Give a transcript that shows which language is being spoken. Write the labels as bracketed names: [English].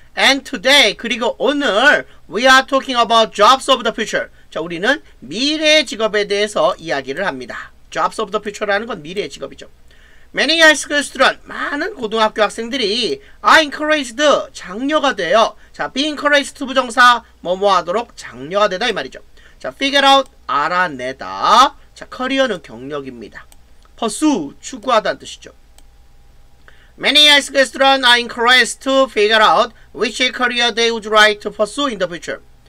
[English] And today, [Korean] 그리고 오늘, [English] we are talking about jobs of the future. [Korean] 자, 우리는 미래의 직업에 대해서 이야기를 합니다. [English] Jobs of the future라는 건 [Korean] 미래의 직업이죠. [English] Many high school students, [Korean] 많은 고등학교 학생들이 [English] are encouraged, [Korean] 장려가 돼요. 자, be encouraged to 부정사, 뭐뭐 하도록 장려가 되다 이 말이죠. 자, figure out, 알아내다. 자, 커리어는 경력입니다. pursue, 추구하다는 뜻이죠. [English] Many high school students are encouraged to figure out which career they would like to pursue in the future.